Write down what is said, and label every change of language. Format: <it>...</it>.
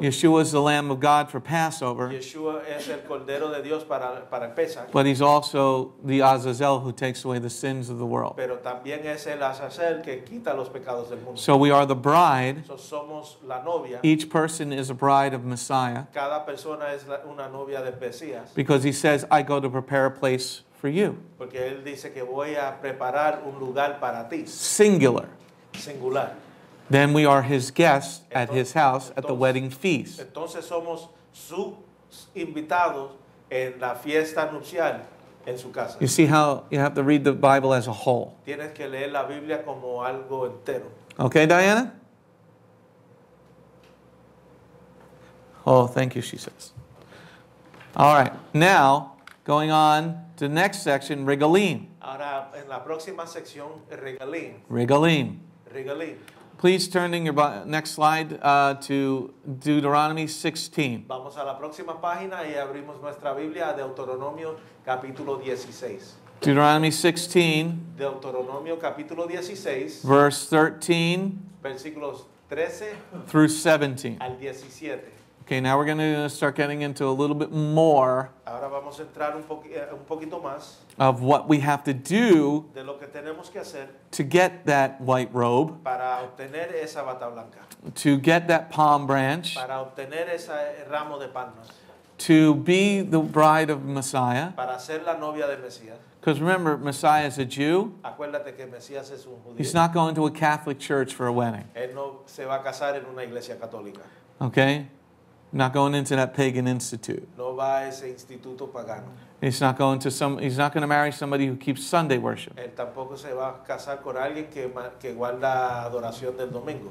<en>Yeshua is the Lamb of God for Passover.</en> <es>Yeshua es el Cordero de Dios para Pesach.</es> <en>But he's also the Azazel who takes away the sins of the world.</en> <es>Pero también es el Azazel que quita los pecados del mundo.</es> <en>So we are the bride.</en> <es>So somos la novia.</es> <en>Each person is a bride of Messiah.</en> <es>Cada persona es una novia de Mesías.</es> <en>Because he says, I go to prepare a place for you.</en> <es>Porque él dice que voy a preparar un lugar para ti.</es> <en>Singular.</en> <es>Singular.</es> <en>Then we are his guests at his house at the wedding feast.</en> <es>Entonces somos sus invitados en la fiesta nupcial en su casa.</es> <en>You see how you have to read the Bible as a whole.</en> <es>Tienes que leer la Biblia como algo entero.</es> <en>Okay, Diana? Oh, thank you, she says. All right. Now, going on to the next section, regalim.</en> <es>Ahora, en la próxima sección, regalim.</es> <he>Regalim. Regalim.</he> <en>Please turn in your next slide to Deuteronomy 16.</en> <es>Vamos a la próxima página y abrimos nuestra Biblia a Deuteronomio capítulo 16.</es> <en>Deuteronomy 16.</en> <es>Deuteronomio capítulo 16.</es> <en>Verse 13.</en> <es>Versículos 13.</es> <en>Through 17.</en> <es>Al 17.</es> <en>Okay, now we're going to start getting into a little bit more.</en> <es>Ahora vamos a entrar un poquito más</es> <en>of what we have to do</en> <es>de lo que tenemos que hacer</es> <en>to get that white robe,</en> <es>para obtener esa bata blanca,</es> <en>to get that palm branch,</en> <es>para obtener ese ramo de palmas,</es> <en>to be the bride of Messiah.</en> <es>Para ser la novia de Mesías.</es> <en>Because remember, Messiah is a Jew.</en> <es>Acuérdate que Mesías es un judío.</es> <en>He's not going to a Catholic church for a wedding.</en> <es>Él no se va a casar en una iglesia católica.</es> <en>Okay? Not going into that pagan institute.</en> <es>No va a ese instituto pagano.</es> <en>He's not going to marry somebody who keeps Sunday worship.</en> <es>Él tampoco se va a casar con alguien que guarda adoración del domingo.</es>